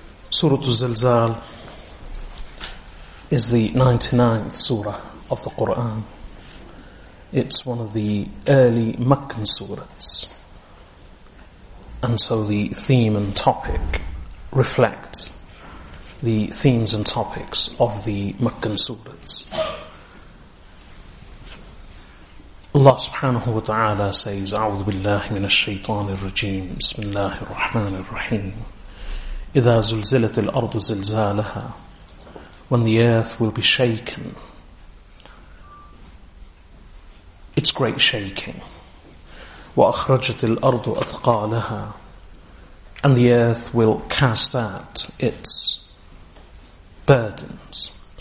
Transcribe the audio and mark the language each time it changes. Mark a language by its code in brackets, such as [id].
[en] Surah Al-Zilzal is the 99th surah of the Quran. It's one of the early Meccan surahs, and so the theme and topic reflect the themes and topics of the Meccan surahs. Allah subhanahu wa ta'ala says, [ar] أعوذ بالله من الشيطان الرجيم بسم الله الرحمن الرحيم إذا زلزلت الأرض زلزالها. [en] When the earth will be shaken, it's great shaking. [ar] وأخرجت الأرض أثقالها, [en] and the earth will cast out its burdens.